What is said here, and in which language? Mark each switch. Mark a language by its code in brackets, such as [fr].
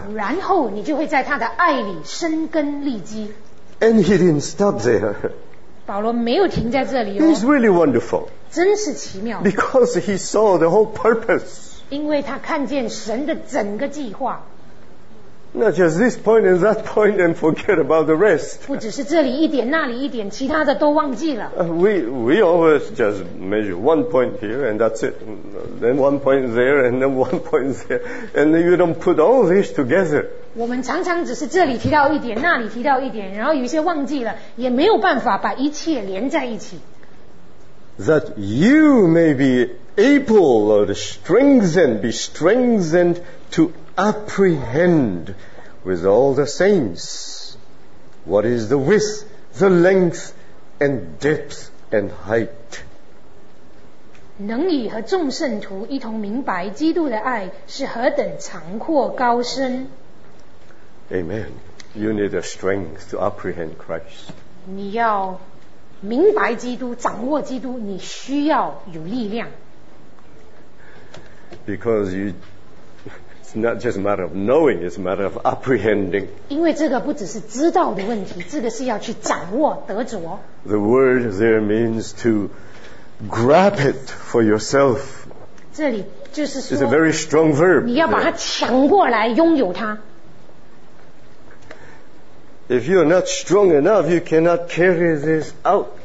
[zh] 然后你就会在他的爱里生根立基。 [en] And He didn't stop there. [zh] 保罗没有停在这里哦。 [en] He's really wonderful. [zh] 真是奇妙。 [en] Because He saw the whole purpose. [zh] 因为他看见神的整个计划。 [en] Not just this point and that point and forget about the rest. [zh] 不只是这里一点那里一点，其他的都忘记了。 [en] We always just measure one point here and that's it. Then one point there and then one point there. And you don't put all this together. [zh] 我们常常只是这里提到一点，那里提到一点，然后有些忘记了，也没有办法把一切连在一起。 [en] That you may be able or be strengthened to apprehend with all the saints what is the width, the length, and depth, and height. [zh] 能以和众圣徒一同明白基督的爱是何等长阔高深。 [en] Amen. You need the strength to apprehend Christ. [zh] 你要明白基督，掌握基督，你需要有力量。 [en] Because youIt's not just a matter of knowing, it's a matter of apprehending. [zh] 因为这个不只是知道的问题，这个是要去掌握得着。 [en] The word there means to grab it for yourself. [zh] 这里就是说 [en] It's a very strong verb. [zh] 你要把它抢过来拥有它。 [en] If you're not strong enough, you cannot carry this out.